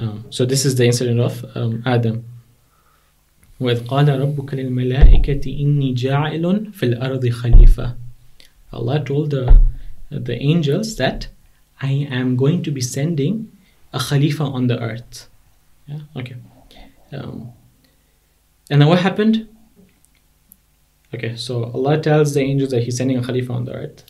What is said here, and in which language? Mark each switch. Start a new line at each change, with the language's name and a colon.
English: So this is the incident of Adam.
Arabic: With قَالَ رَبُّكَ لِلْمَلَائِكَةِ إِنِّي جَاعِلٌ فِي الْأَرْضِ خَلِيفَةٌ.
English: Allah told the angels that I am going to be sending a khalifa on the earth. Yeah. Okay. And then what happened? Okay, so Allah tells the angels that He's sending a khalifa on the earth.